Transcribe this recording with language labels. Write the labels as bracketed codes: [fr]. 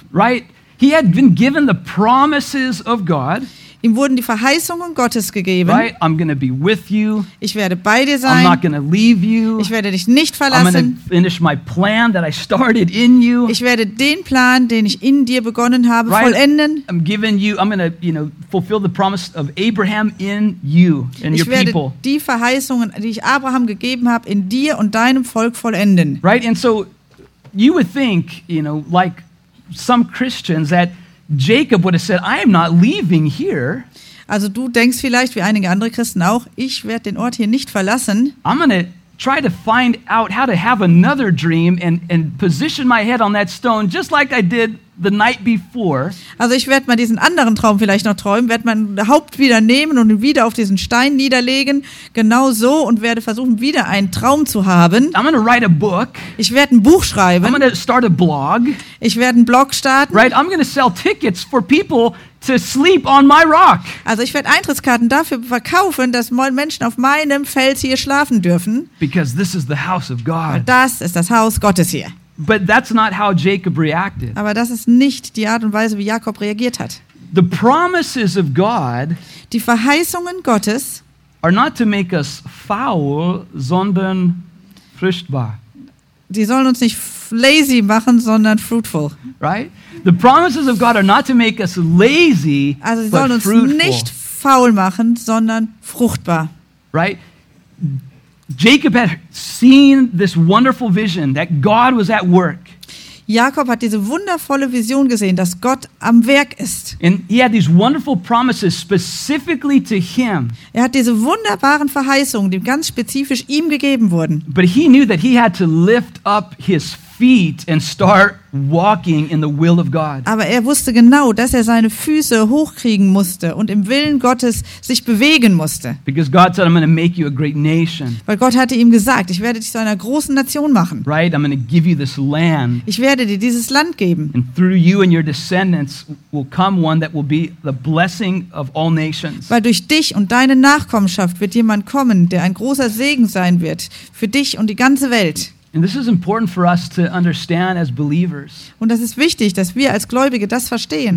[en] Right, he had been given the promises of God. [de] Ihm wurden die Verheißungen Gottes gegeben. [en] Right, I'm gonna be with you. [de] Ich werde bei dir sein. [en] I'm not gonna leave you. [de] Ich werde dich nicht verlassen. [en] I'm gonna finish my plan that I started in you. [de] Ich werde den Plan, den ich in dir begonnen habe, [en] right, [de] vollenden. [en] I'm giving you. I'm gonna, you know, fulfill the promise of Abraham in you and [de] ich [en] your people. [de] Ich werde die Verheißungen, die ich Abraham gegeben habe, in dir und deinem Volk vollenden. [en] Right, and so you would think, you know, like some Christians that Jacob would have said, I am not leaving here. [de] Also du denkst vielleicht wie einige andere Christen auch, ich werde den Ort hier nicht verlassen. [en] I'm going to try to find out how to have another dream and position my head on that stone just like I did the night before. [de] Also ich werde mal diesen anderen Traum vielleicht noch träumen, werde mein Haupt wieder nehmen und ihn wieder auf diesen Stein niederlegen, genau so, und werde versuchen, wieder einen Traum zu haben. [en] I'm gonna write a book. [de] Ich werde ein Buch schreiben. [en] I'm gonna start a blog. [de] Ich werde einen Blog starten. [en] Right, I'm gonna sell tickets for people to sleep on my rock. [de] Also ich werde Eintrittskarten dafür verkaufen, dass Menschen auf meinem Fels hier schlafen dürfen. [en] Because this is the house of God. [de] Und das ist das Haus Gottes hier. [en] But that's not how Jacob reacted. [de] Aber das ist nicht die Art und Weise, wie Jakob reagiert hat. [en] The promises of God, [de] die Verheißungen Gottes, [en] are not to make us [de] faul, sondern fruchtbar. Die sollen uns nicht [en] lazy [de] machen, sondern [en] fruitful. Right? The promises of God are not to make us lazy, [de] also sie sollen [en] but fruitful. [de] Uns nicht faul machen, sondern fruchtbar. [en] Right? Jacob had seen this wonderful vision that God was at work. [de] Jakob hat diese wundervolle Vision gesehen, dass Gott am Werk ist. [en] And he had these wonderful promises specifically to him. [de] Er hat diese wunderbaren Verheißungen, die ganz spezifisch ihm gegeben wurden. [en] But he knew that he had to lift up his feet and start walking in the will of God. [de] Aber er wusste genau, dass er seine Füße hochkriegen musste und im Willen Gottes sich bewegen musste. [en] Because God said, "I'm going to make you a great nation." [de] Weil Gott hatte ihm gesagt, ich werde dich zu einer großen Nation machen. [en] Right, I'm going to give you this land. [de] Ich werde dir dieses Land geben. [en] And through you and your descendants will come one that will be the blessing of all nations. [de] Weil durch dich und deine Nachkommenschaft wird jemand kommen, der ein großer Segen sein wird für dich und die ganze Welt. [en] And this is important for us to understand as believers. [de] Und das ist wichtig, dass wir als Gläubige das verstehen.